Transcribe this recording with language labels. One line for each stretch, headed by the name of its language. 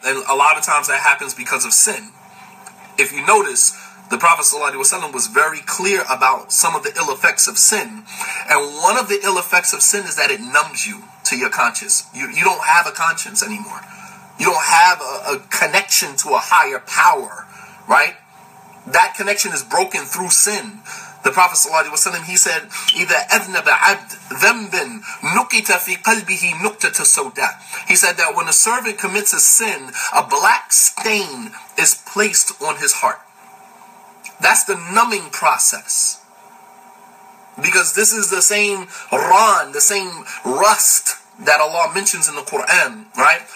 English: And a lot of times that happens because of sin. If you notice, the Prophet ﷺ was very clear about some of the ill effects of sin. And one of the ill effects of sin is that it numbs you to your conscience. You don't have a conscience anymore. You don't have a connection to a higher power, right? That connection is broken through sin. The Prophet ﷺ, he said,
Arabic: إِذَا أَذْنَبَ عَبْدْ ذَنْبٍ نُكِتَ فِي قَلْبِهِ نُكْتَةَ سَوْدَى.
English: He said that when a servant commits a sin, a black stain is placed on his heart. That's the numbing process. Because this is the same ran, the same rust that Allah mentions in the Quran, right?